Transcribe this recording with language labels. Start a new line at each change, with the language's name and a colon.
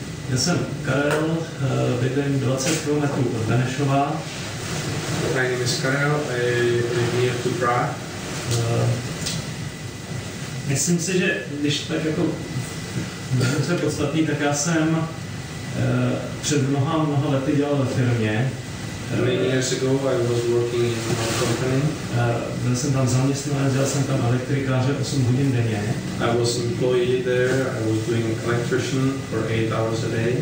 Czech: Já jsem Karel, bydlím 20 km od Benešova.
English: My name is Karel, I live near to Prague.
Czech: Myslím si, že když tak jako dobře podstatný, tak já jsem před mnoha lety dělal ve firmě.
English: Many years ago I was working in a company.
Czech: Byl jsem tam zaměstnanec, dělal jsem tam elektrikáře 8 hodin denně.
English: I was employee there, I was doing electrician for 8 hours a day.